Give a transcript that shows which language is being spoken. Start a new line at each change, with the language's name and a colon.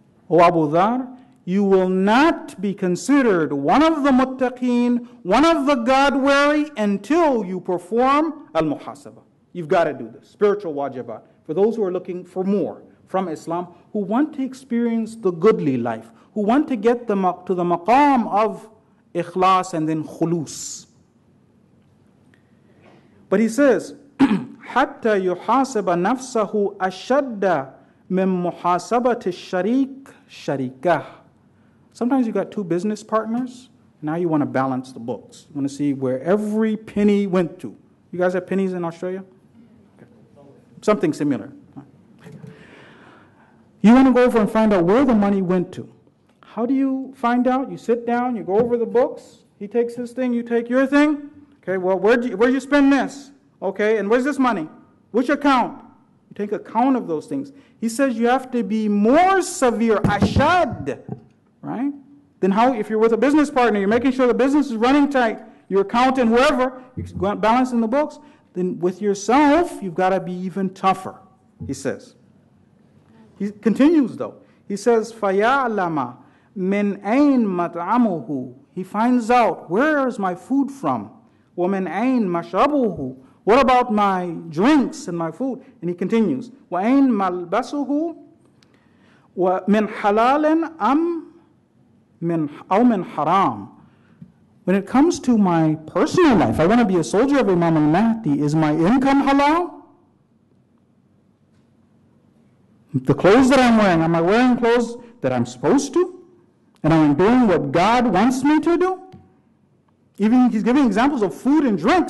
English: O Abu Dharr, you will not be considered one of the muttaqeen, one of the God-wary, until you perform al-muhasaba. You've got to do this, spiritual wajibat. For those who are looking for more from Islam, who want to experience the goodly life, who want to get to the maqam of ikhlas and then khulus.
Arabic: But he says, حَتَّى يُحَاسَبَ نَفْسَهُ أَشَدَّ مِن مُحَاسَبَةِ الشَّرِيكِ شَرِيكَهُ.
English: Sometimes you've got two business partners, now you want to balance the books. You want to see where every penny went to. You guys have pennies in Australia? Okay. Something similar. You want to go over and find out where the money went to. How do you find out? You sit down, you go over the books, he takes his thing, you take your thing. Okay, well, where'd you spend this? Okay, and where's this money? Which account? You take account of those things. He says you have to be more severe, ashad, right? Then how, if you're with a business partner, you're making sure the business is running tight, your accountant, whoever, you're balancing the books, then with yourself, you've got to be even tougher, he says. He continues, though.
Arabic: He says, فَيَعْلَمَ مِنْ أَيْنْ مَطْعَمُهُ.
English: He finds out, where is my food from?
Arabic: وَمِنْ أَيْنْ مَشْرَبُهُ.
English: What about my drinks and my food?
Arabic: And he continues, وَأَيْنْ مَلْبَسُهُ وَمِنْ حَلَالٍ أَمْ مِنْ أَوْ مِنْ حَرَامٍ.
English: When it comes to my personal life, I want to be a soldier of Imam al-Mahdi. Is my income halal? The clothes that I'm wearing, am I wearing clothes that I'm supposed to? And am I doing what God wants me to do? Even he's giving examples of food and drink.